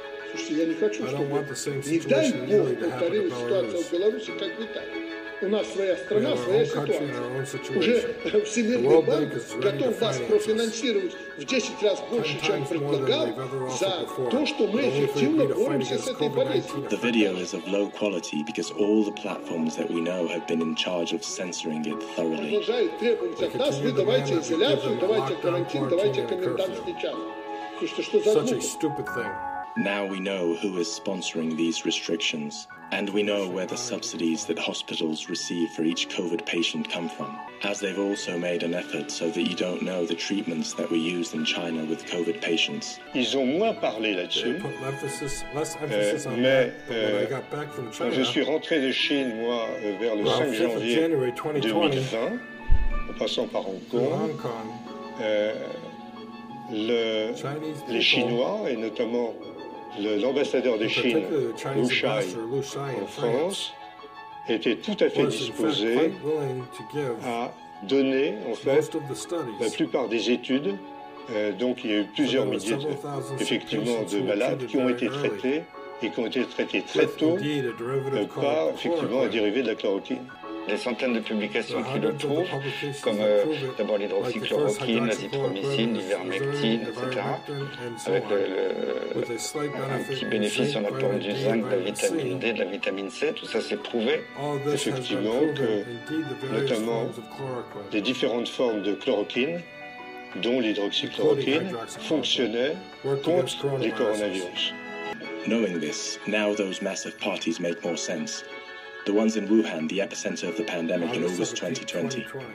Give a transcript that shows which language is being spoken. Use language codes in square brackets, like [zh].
[ru] Слушайте, я не хочу, чтобы, не дай Бог, повторилась ситуация в Беларуси, как в Италии. У нас своя страна, своя ситуация. Уже Всемирный банк готов вас профинансировать в 10 раз больше, чем предлагал, за то, что мы эффективно боремся с этой болезнью. [en] The video is of low quality because all the platforms that we know have been in charge of censoring it thoroughly. [ru] Продолжают требовать от нас, вы давайте изоляцию, давайте карантин, давайте комендантский час. Слушайте, что за глупость? [en] Now we know who is sponsoring these restrictions, and we know where the subsidies that hospitals receive for each COVID patient come from, as they've also made an effort so that you don't know the treatments that were used in China with COVID patients. [fr] Ils ont moins parlé là-dessus. [en] They put less emphasis on that, but when I got back from China, [fr] je suis rentré de Chine, moi, vers le 5 janvier 2020, en passant par Hong Kong, les Chinois, et notamment l'ambassadeur de Chine, Lu Shai, en France, était tout à fait disposé à donner, en fait, la plupart des études. Donc il y a eu plusieurs milliers, effectivement, de malades qui ont été traités, et qui ont été traités très tôt, par, effectivement, un dérivé de la chloroquine. Des centaines de publications qui le prouvent, comme d'abord l'hydroxychloroquine, l'azithromycine, l'ivermectine, etc., avec un petit bénéfice en apport du zinc, de la vitamine D, de la vitamine C, tout ça s'est prouvé. Effectivement, que notamment les différentes formes de chloroquine, dont l'hydroxychloroquine, fonctionnaient contre les coronavirus. [en] Knowing this, now those massive parties make more sense. The ones in Wuhan, the epicenter of the pandemic in August 2020.